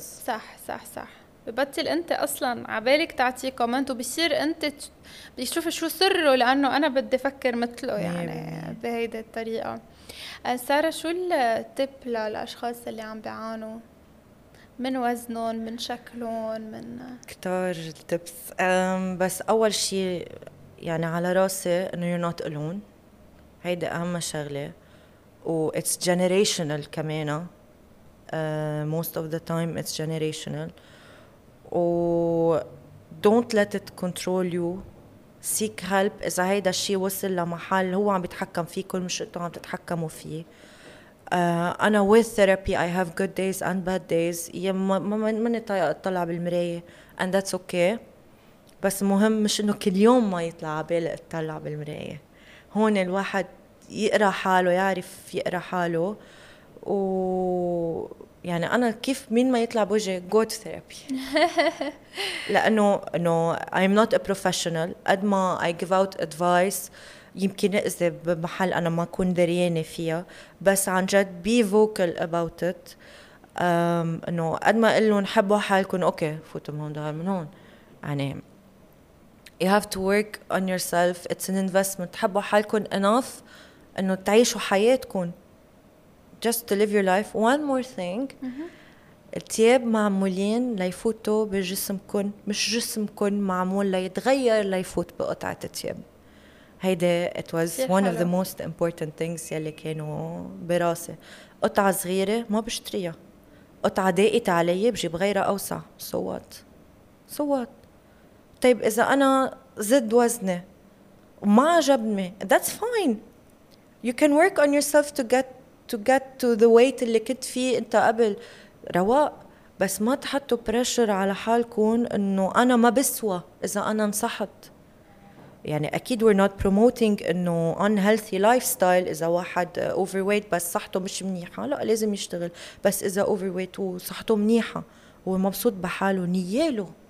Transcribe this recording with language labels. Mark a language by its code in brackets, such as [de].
[ar] صح صح صح ببطل أنت أصلا عبالك تعطي كومنت وبيصير أنت بيشوف شو سره لأنه أنا بدي أفكر مثله يعني بهيدا الطريقة. سارة شو التيب للأشخاص اللي عم بيعانوا من وزنهم من شكلهم من كتار التبس؟ بس أول شيء يعني على راسي إنه [en] you're not alone. [ar] هيدا أهم شغلة [en] و it's generational كمان most of the time it's generational و don't let it control you. seek help [ar] إذا هيدا الشيء وصل لمحل هو عم بيتحكم فيه كل مش أنتوا عم تتحكموا فيه. أنا [en] with therapy I have good days and bad days. [ar] ماني طايقة أطلع بالمراية [en] and that's okay. [ar] بس مهم مش إنه كل يوم ما يطلع عبالي أطلع بالمراية. هون الواحد يقرأ حاله يعرف يقرأ حاله و يعني أنا كيف مين ما يطلع بوجه [en] go to therapy [ar] لأنه [en] no, I'm not a professional. [ar] قد ما [en] I give out advice [ar] يمكن إذا بمحل أنا ما أكون دريانة فيها بس عن جد [en] be vocal about it. [ar] إنه قد ما قلوا نحبوا حالكم أوكي فوتوا من هون دهار من هون. يعني [en] you have to work on yourself. it's an investment. [ar] تحبوا حالكم [en] enough [ar] إنه تعيشوا حياتكم [en] just to live your life. one more thing [ar] التياب معمولين ليفوتوا بجسمكم مش جسمكم معمول ليتغير ليفوت بقطعة التياب. هيدا [en] it was one of the most important things [ar] يلي كانوا براسي. قطعة صغيرة ما بشتريها. قطعة ضاقت علي بجيب غيرها أوسع. [en] So what? [ar] طيب إذا أنا زد وزني وما عجبني [en] that's fine. You can work on yourself to get to the weight [ar] اللي كنت فيه أنت قبل. رواء. بس ما تحطوا pressure على حالكم إنه أنا ما بسوى إذا أنا انصحت. يعني أكيد [en] we're not promoting [ar] إنه unhealthy lifestyle إذا واحد overweight بس صحته مش منيحة لا لازم يشتغل. بس إذا overweight وصحته منيحة هو مبسوط بحاله نياله